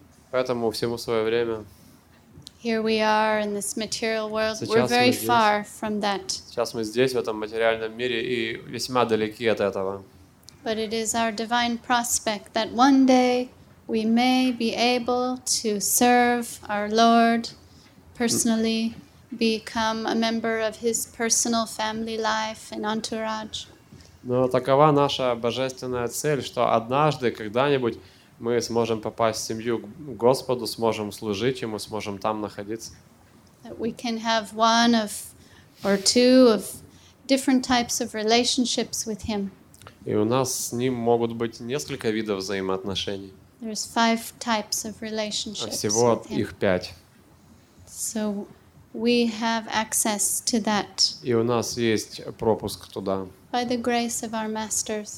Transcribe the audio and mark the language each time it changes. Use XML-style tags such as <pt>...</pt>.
<ru>Поэтому всему свое время.</ru> <en>Here we are in this material world. We're very far from that.</en> <ru>Сейчас мы здесь в этом материальном мире и весьма далеки от этого.</ru> <en>But it is our divine prospect that one day we may be able to serve our Lord personally, become a member of His personal family life and entourage.</en> <ru>Но такова наша божественная цель, что однажды, когда-нибудь, мы сможем попасть в семью к Господу, сможем служить Ему, сможем там находиться.</ru> <en>That we can have one of, or two of different types of relationships with Him.</en> <ru>И у нас с Ним могут быть несколько видов взаимоотношений.</ru> <en>There's five types of relationships.</en> <ru>Всего их пять.</ru> <en>So we have access to that.</en> <ru>И у нас есть пропуск туда.</ru> <en>By the grace of our masters.</en>